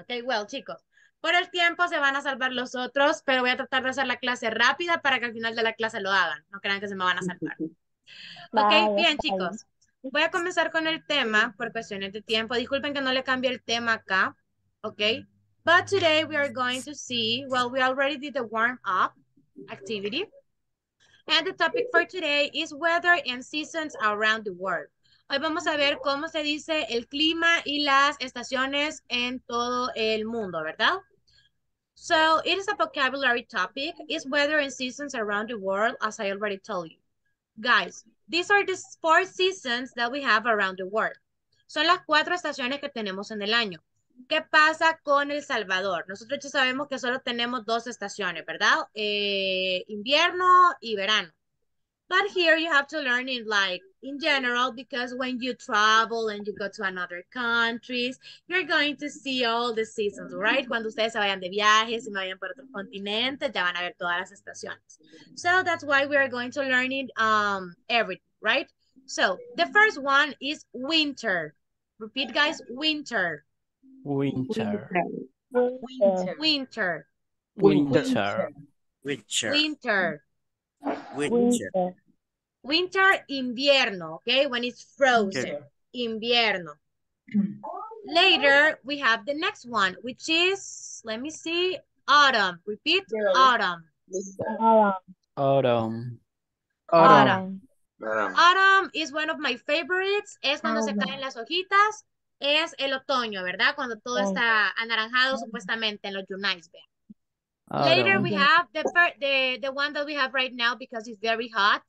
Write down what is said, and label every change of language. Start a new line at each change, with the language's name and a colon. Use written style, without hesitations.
Spanish: Okay, well, chicos, por el tiempo se van a salvar los otros, pero voy a tratar de hacer la clase rápida para que al final de la clase lo hagan. No crean que se me van a salvar.
English: worry. Ok,
Spanish: Vaya, bien, chicos. Voy a comenzar con el tema por cuestiones de tiempo. Disculpen que no le cambie el tema acá.
English: Ok. But today we are going to see, well, we already did the warm-up activity. And the topic for today is weather and seasons around the world.
Spanish: Hoy vamos a ver cómo se dice el clima y las estaciones en todo el mundo, ¿verdad?
English: So, it is a vocabulary topic. It's weather and seasons around the world, as I already told you. Guys, these are the four seasons that we have around the world.
Spanish: Son las cuatro estaciones que tenemos en el año. ¿Qué pasa con El Salvador? Nosotros ya sabemos que solo tenemos dos estaciones, ¿verdad? Invierno y verano.
English: But here you have to learn in like, in general, because when you travel and you go to another countries, you're going to see all the seasons, right?
Spanish: Cuando ustedes se vayan de viaje, se vayan por otro continente, ya van a ver todas las estaciones.
English: So that's why we are going to learn it, everything, right? So the first one is winter. Repeat, guys, winter. Winter. Winter. Winter. Winter. Winter. Winter. Winter, invierno, okay? When it's frozen, okay. Invierno. Later, we have the next one, which is, let me see, autumn. Repeat, autumn. Autumn. Autumn. Autumn. Autumn is one of my favorites.
Spanish: Es cuando se caen las hojitas. Es el otoño, ¿verdad? Cuando todo está anaranjado, supuestamente, en los Yunais.
English: Later we have the one that we have right now because it's very hot.